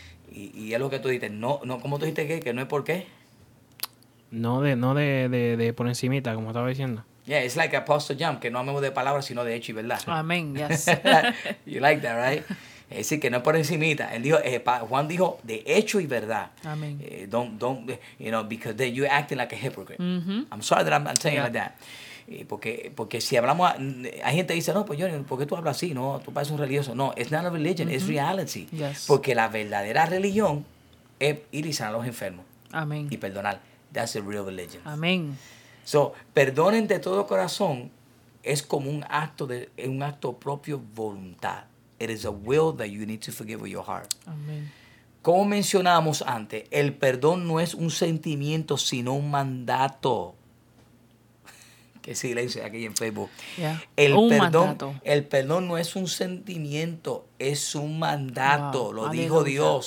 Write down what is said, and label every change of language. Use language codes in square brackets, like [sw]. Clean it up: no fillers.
[es] Y es lo que tú dijiste, no como tú dijiste que no es por qué. No de por encimita, como estaba diciendo. [en] Yeah, it's like Apostle John, [es] que no amemos de palabras, sino de hecho y verdad. Amén, yes. [en] You like that, right? [es] Es decir, que no es por encimita. Él dijo, Juan dijo, de hecho y verdad. Amén. [en] Don't, you know, because then you're acting like a hypocrite. Mm-hmm. I'm sorry that I'm saying like that. [es] Porque si hablamos, hay gente que dice, no, pues yo, ¿por qué tú hablas así? No, tú pareces un religioso. No, [en] it's not a religion, mm-hmm. it's reality. Yes. [es] Porque la verdadera religión es ir y sanar a los enfermos. Amén. Y perdonar. [en] That's the real religion. [es] Amén. So, perdonen de todo corazón es como un acto propio voluntad. [en] It is a will that you need to forgive with your heart. [es] Amén. Como mencionamos antes, el perdón no es un sentimiento, sino un mandato. Qué silencio aquí en Facebook. [en] Yeah. [es] El perdón no es un sentimiento, es un mandato. Wow. Lo Aleluya. Dijo Dios.